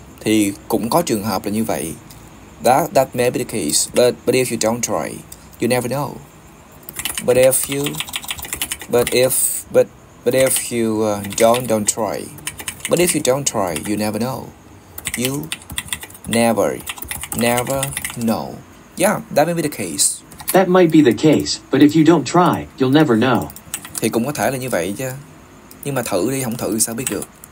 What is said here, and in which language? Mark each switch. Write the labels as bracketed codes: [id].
[vi] Thì cũng có trường hợp là như vậy. [en] That may be the case. But if you don't try, you never know. But if you don't try, you never know. Yeah, that may be the case. That might be the case, but if you don't try, you'll never know. [vi] Thì cũng có thể là như vậy chứ. Nhưng mà thử đi, không thử sao biết được.